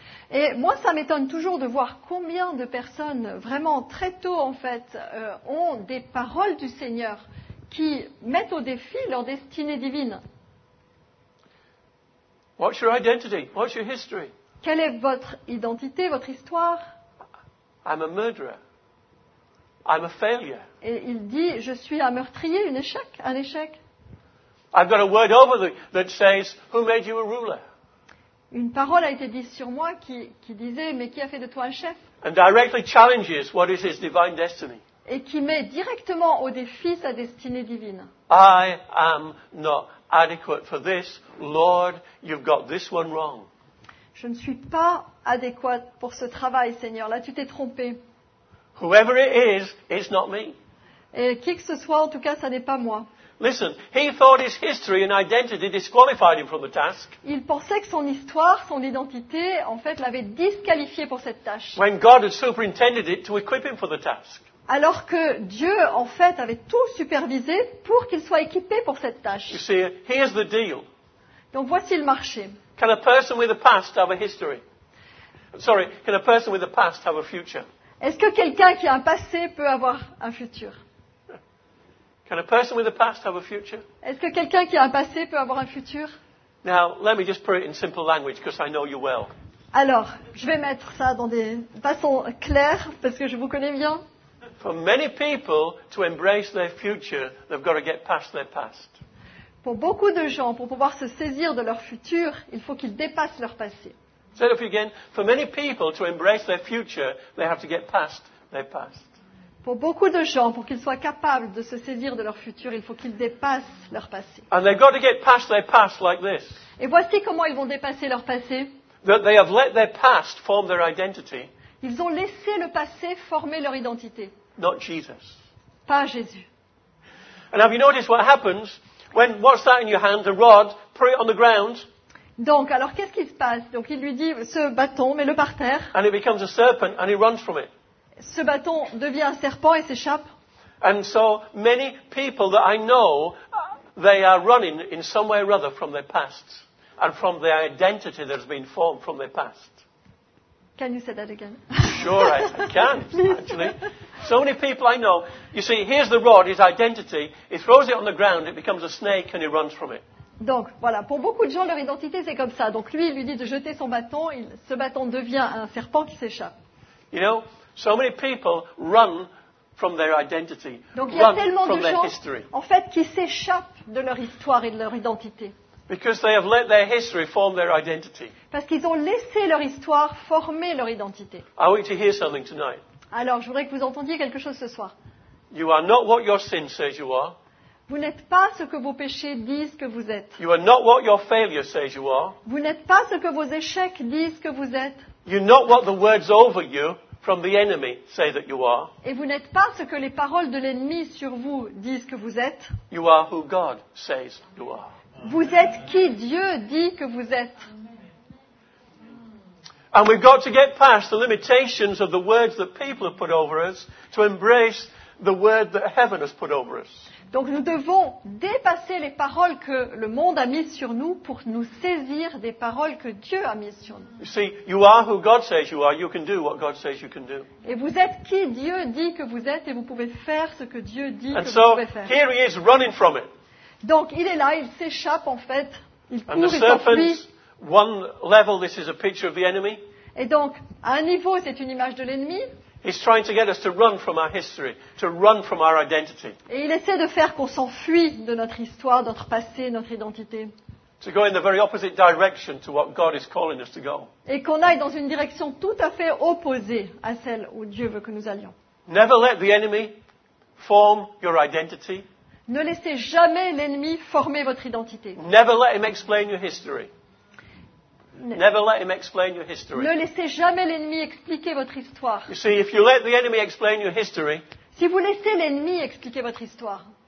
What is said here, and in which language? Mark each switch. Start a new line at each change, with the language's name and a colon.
French: Et moi, ça m'étonne toujours de voir combien de personnes, vraiment très tôt en fait, ont des paroles du Seigneur qui mettent au défi leur destinée divine.
English: What's your identity? What's your history?
French: Quelle est votre identité, votre histoire?
English: I'm a murderer. I'm a failure.
French: Et il dit, je suis un meurtrier, un échec.
English: I've got a word over that says, who made you a ruler?
French: Une parole a été dite sur moi qui disait, mais qui a fait de toi un chef?
English: And directly challenges what is his divine destiny.
French: Et qui met directement au défi sa destinée divine.
English: I am not adequate for this. Lord, you've got this one wrong.
French: Je ne suis pas adéquate pour ce travail, Seigneur. Là, tu t'es trompé.
English: Whoever it is, it's not me.
French: Et qui que ce soit, en tout cas, ça n'est pas moi.
English: Listen, he thought his history and identity disqualified him from the task.
French: Il pensait que son histoire, son identité, en fait, l'avait disqualifié pour cette tâche.
English: When God had superintended it to equip him for the task.
French: Alors que Dieu, en fait, avait tout supervisé pour qu'il soit équipé pour cette tâche.
English: You see, here's the deal.
French: Donc voici le marché.
English: Can a person with a past have a history? Sorry, can a person with a past have a future?
French: Est-ce que quelqu'un qui a un passé peut avoir un futur?
English: Can a person with a past have a future?
French: Est-ce que quelqu'un qui a un passé peut avoir un futur?
English: Now, let me just put it in simple language because I know you well.
French: Alors, je vais mettre ça dans des façons claires parce que je vous connais bien.
English: For many people to embrace their future, they've got to get past their past.
French: Pour beaucoup de gens, pour pouvoir se saisir de leur futur, il faut qu'ils dépassent leur passé.
English: Say it again. For many people to embrace their future, they have to get past their past.
French: Pour beaucoup de gens, pour qu'ils soient capables de se saisir de leur futur, il faut qu'ils dépassent leur passé.
English: And they've got to get past their past like this.
French: Et voici comment ils vont dépasser leur passé.
English: That they have let their past form their identity.
French: Ils ont laissé le passé former leur identité.
English: Not Jesus.
French: Pas Jésus.
English: And have you noticed what happens when what's that in your hand, the rod, put it on the ground?
French: Donc, alors qu'est-ce qui se passe? Donc, il lui dit, ce bâton, mets-le par terre.
English: And it becomes a serpent and he runs from it.
French: Ce bâton devient un serpent et s'échappe.
English: And so many people that I know, they are running in some way or other from their pasts and from the identity that has been formed from their past. Can you say that again? Sure, I can. Actually, so many people I know. You see, here's the rod, his identity. He throws it on the ground. It becomes a snake and he runs from it.
French: Donc voilà, pour beaucoup de gens, leur identité c'est comme ça. Donc lui, il lui dit de jeter son bâton. Ce bâton devient un serpent qui s'échappe.
English: You know. So many people run from their identity.
French: Donc
English: run
French: il y a tellement de gens en fait qui s'échappent de leur histoire et de leur identité.
English: Because they have let their history form their identity.
French: Parce qu'ils ont laissé leur histoire former leur identité.
English: I want you to hear something tonight.
French: Alors, je voudrais que vous entendiez quelque chose ce soir.
English: You are not what your sin says you are.
French: Vous n'êtes pas ce que vos péchés disent que vous êtes.
English: You are not what your failure says you are.
French: Vous n'êtes pas ce que vos échecs disent que vous êtes.
English: You're not what the words over you from the enemy say that you are.
French: Et vous n'êtes pas ce que les paroles de l'ennemi sur vous disent que vous êtes.
English: You are who God says you are.
French: Vous êtes qui Dieu dit que vous êtes.
English: And we've got to get past the limitations of the words that people have put over us to embrace the word that heaven has put over us.
French: Donc nous devons dépasser les paroles que le monde a mises sur nous pour nous saisir des paroles que Dieu a mises sur nous.
English: You see, you are who God says you are. You can do what God says you can do.
French: Et vous êtes qui Dieu dit que vous êtes et vous pouvez faire ce que Dieu dit
English: and
French: que
English: so,
French: vous pouvez faire.
English: And so, here he is running from it.
French: Donc il est là, il s'échappe en fait. Il
English: and
French: court,
English: the
French: il
English: serpent, one level, this is a picture of the enemy.
French: Et donc, à un niveau, c'est une image de l'ennemi.
English: He's trying to get us to run from our history, to run from our identity.
French: Et il essaie de faire qu'on s'enfuit de notre histoire, de notre passé, de notre identité.
English: To go in the very opposite direction to what God is calling us to go.
French: Et qu'on aille dans une direction tout à fait opposée à celle où Dieu veut que nous allions.
English: Never let the enemy form your identity.
French: Ne laissez jamais l'ennemi former votre identité.
English: Never let him explain your history. Never let him explain your history.
French: Ne laissez jamais l'ennemi expliquer votre histoire.
English: You see, if you let the enemy explain your history,
French: si vous laissez l'ennemi expliquer votre histoire,